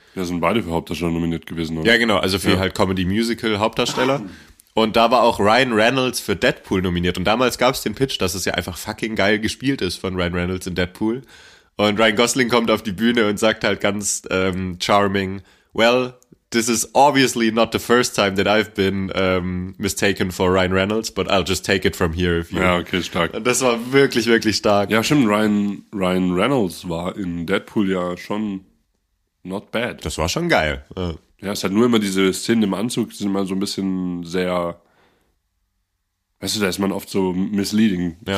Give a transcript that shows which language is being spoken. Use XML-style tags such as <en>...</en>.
<de>Ja, sind beide für Hauptdarsteller nominiert gewesen, oder? Ja, genau, also für halt Comedy-Musical-Hauptdarsteller. Und da war auch Ryan Reynolds für Deadpool nominiert. Und damals gab es den Pitch, dass es ja einfach fucking geil gespielt ist von Ryan Reynolds in Deadpool. Und Ryan Gosling kommt auf die Bühne und sagt halt ganz charming, well,</de> <en>this is obviously not the first time that I've been mistaken for Ryan Reynolds, but I'll just take it from here.</en> <de>Okay, stark. Das war wirklich, wirklich stark. Ja, stimmt, Ryan Reynolds war in Deadpool ja schon</de> <en>not bad.</en> <de>Das war schon geil. Ja, es hat nur immer diese Szenen im Anzug, die sind immer so ein bisschen sehr, weißt du, da ist man oft so misleading. Ja.</de>